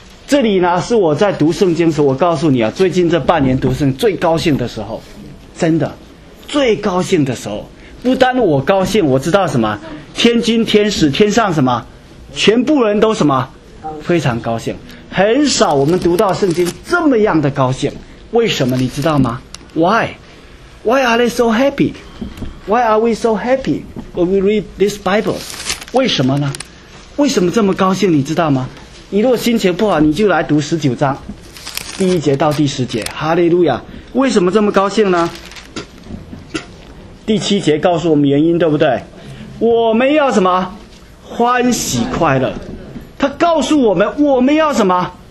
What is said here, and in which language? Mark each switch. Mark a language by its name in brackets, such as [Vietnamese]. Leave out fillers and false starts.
[Chinese] 这里呢是我在读圣经的时候，我告诉你啊，最近这半年读圣经最高兴的时候，真的最高兴的时候，不单我高兴，我知道什么，天君天使天上什么全部人都什么非常高兴，很少我们读到圣经这么样的高兴。为什么你知道吗？ [English] Why? Why are they so happy? Why are we so happy when we read this Bible? [Chinese] 为什么呢？为什么这么高兴你知道吗？你如果心情不好，你就来读十九章第一节到第十节，哈利路亚。为什么这么高兴呢？第七节告诉我们原因，对不对？我们要什么？欢喜快乐。他告诉我们，我们要什么？